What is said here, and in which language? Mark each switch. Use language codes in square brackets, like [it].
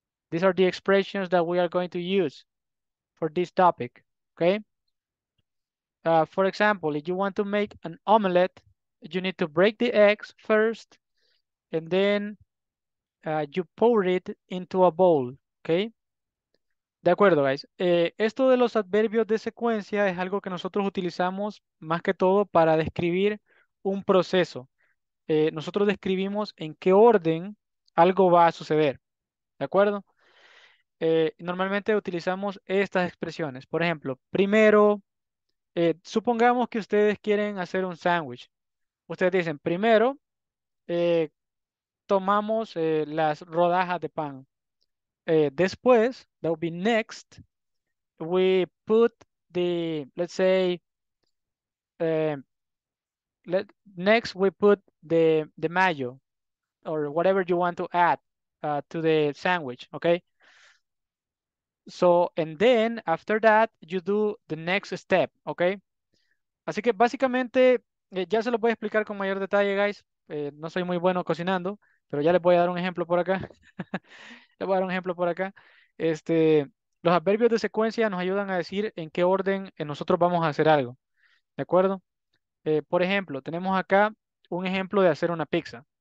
[en] These are the expressions that we are going to use for this topic, okay? For example, if you want to make an omelet, you need to break the eggs first, and then you pour it into a bowl, okay? [es] De acuerdo, guys. Esto de los adverbios de secuencia es algo que nosotros utilizamos más que todo para describir un proceso. Nosotros describimos en qué orden algo va a suceder, ¿de acuerdo? Normalmente utilizamos estas expresiones. Por ejemplo, primero, supongamos que ustedes quieren hacer un sándwich. Ustedes dicen, primero, tomamos las rodajas de pan. [en] Después, that would be next, we put the, let's say, next we put the mayo or whatever you want to add to the sandwich, okay? So, and then after that, you do the next step, okay? [es] Así que básicamente, ya se lo voy a explicar con mayor detalle, guys. No soy muy bueno cocinando, pero ya les voy a dar un ejemplo por acá. Los adverbios de secuencia nos ayudan a decir en qué orden nosotros vamos a hacer algo. ¿De acuerdo? Por ejemplo, tenemos acá un ejemplo de hacer una pizza.